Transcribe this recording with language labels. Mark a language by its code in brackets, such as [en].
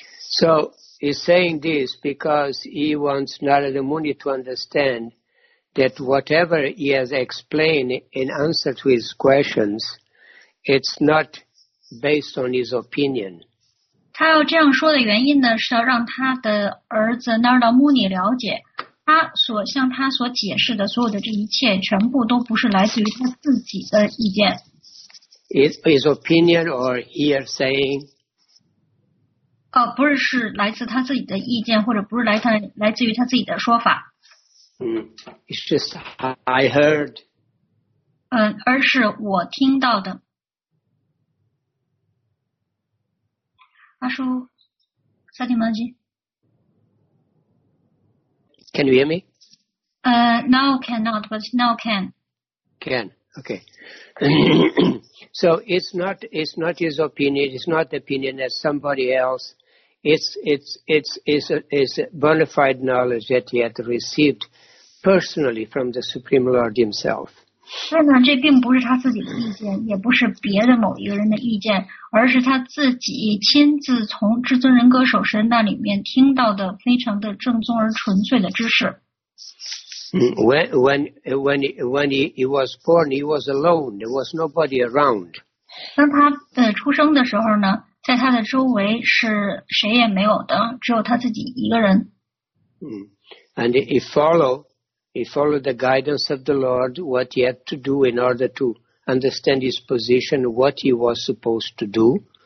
[en] So he's saying this because he wants Narada Muni to understand that whatever he has explained in answer to his questions, it's not based on his opinion. [zh] 他要这样说的原因呢，是要让他的儿子 Narada Muni 了解，他所向他所解释的所有的这一切，全部都不是来自于他自己的意见。 [en] His opinion or hearsay? [zh] 不是，是来自他自己的意见，或者不是来自于他自己的说法。 [en] It's just I heard. [zh] 而是我听到的。阿叔，萨提曼吉。 [en] Can you hear me? Now cannot, but now can. Can, okay. So it's not his opinion, it's not the opinion of somebody else. It's bona fide knowledge that he had received personally from the Supreme Lord himself. [zh] 所以呢，这并不是他自己的意见，也不是别的某一个人的意见，而是他自己亲自从至尊人格守神那里面听到的非常的正宗而纯粹的知识。 [en] When he was born, he was alone. There was nobody around. [zh] 当他出生的时候呢，在他的周围是谁也没有的，只有他自己一个人。 [en] And he followed the guidance of the Lord, what he had to do in order to understand his position, what he was supposed to do.